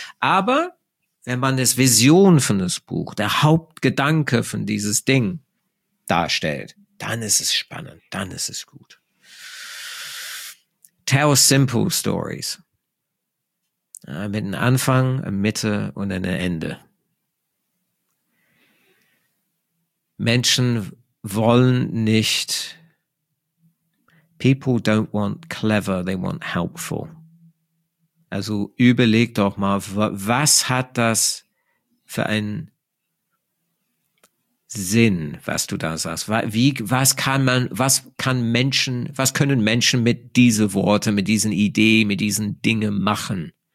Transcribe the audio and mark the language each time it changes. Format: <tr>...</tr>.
<de>Aber wenn man das Vision von das Buch, der Hauptgedanke von dieses Ding darstellt, dann ist es spannend, dann ist es gut.</de> <en>Tell simple stories.</en> <de>Mit einem Anfang, einer Mitte und einem Ende. Menschen wollen nicht,</de> <en>people don't want clever, they want helpful.</en> <de>Also überleg doch mal, was hat das für einen Sinn, was du da sagst? Was können Menschen mit diesen Worten, mit diesen Ideen, mit diesen Dingen machen?</de>